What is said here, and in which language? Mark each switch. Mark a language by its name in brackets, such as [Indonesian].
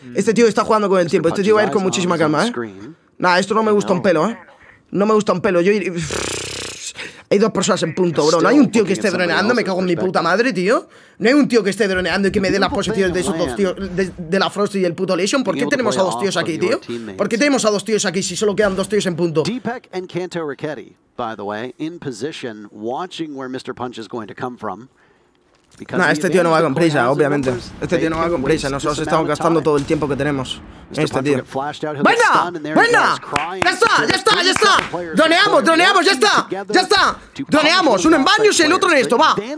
[Spanish] Este tío está jugando con el tiempo, este tío va a ir con muchísima calma, ¿eh? Nah, esto no me gusta un pelo, ¿eh? No me gusta un pelo, yo ir... Hay dos personas en punto, bro. No hay un tío que esté droneando, me cago en mi puta madre, tío. No hay un tío que esté droneando y que me dé las posiciones de esos dos tíos, de la Frost y el puto Lesion. ¿Por qué tenemos a dos tíos aquí, tío? ¿Por qué tenemos a dos tíos aquí si solo quedan dos tíos en punto? [English] Deepak and Kanto Riketti, by the way, in position, watching where Mr. Punch is going to come from. [Spanish] No, este tío no va con prisa, obviamente. Este tío no va con prisa, nosotros estamos gastando todo el tiempo que tenemos. Este tío. ¡Buena! ¡Buena! ¡Ya está! ¡Droneamos, ya está! ¡Droneamos! Uno en baños y el otro en esto, va.